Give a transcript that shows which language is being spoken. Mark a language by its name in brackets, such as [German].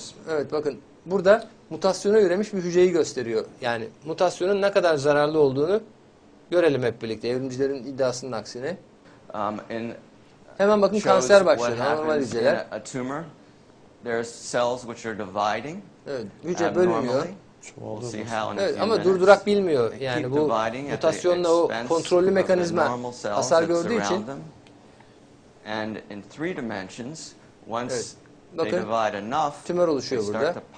[Turkish] Evet, bakın burada mutasyona üremiş bir hücreyi gösteriyor. Yani mutasyonun ne kadar zararlı olduğunu görelim hep birlikte, evrimcilerin iddiasının aksine. Hemen bakın kanser başlıyor, normal hücreler. [English] There's cells which are dividing. [Turkish] Evet, hücre bölünüyor. Evet, ama durdurak bilmiyor. Yani bu mutasyonla o kontrollü mekanizma hasar gördüğü için. [English] And in three dimensions, once they divide enough, [Turkish] tümör oluşuyor burada.